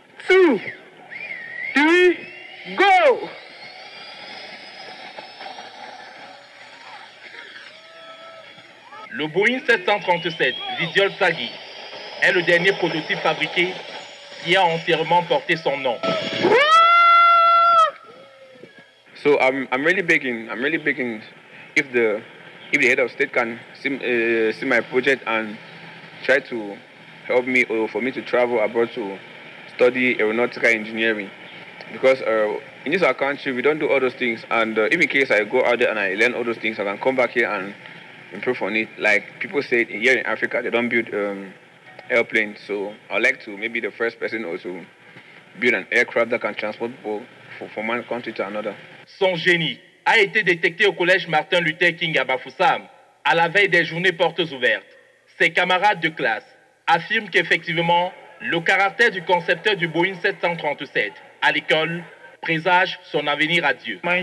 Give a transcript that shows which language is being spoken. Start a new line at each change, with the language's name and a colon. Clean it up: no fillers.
English: 2, 3, go!
French: Le Boeing 737 Vidiol Tsagi est le dernier prototype fabriqué qui a entièrement porté son nom.
English: So I'm really begging if the head of state can see my project and try to help me or for me to travel abroad to study aeronautical engineering, because in this our country we don't do all those things, and in case I go out there and I learn all those things, I can come back here and improve on it. Like people say here in Africa, they don't build airplanes, so I'd like to maybe the first person also build an aircraft that can transport people from one country to another.
French: Son génie a été détecté au collège Martin Luther King à Bafoussam à la veille des journées portes ouvertes. Ses camarades de classe affirme qu'effectivement, le caractère du concepteur du Boeing 737 à l'école présage son avenir à Dieu.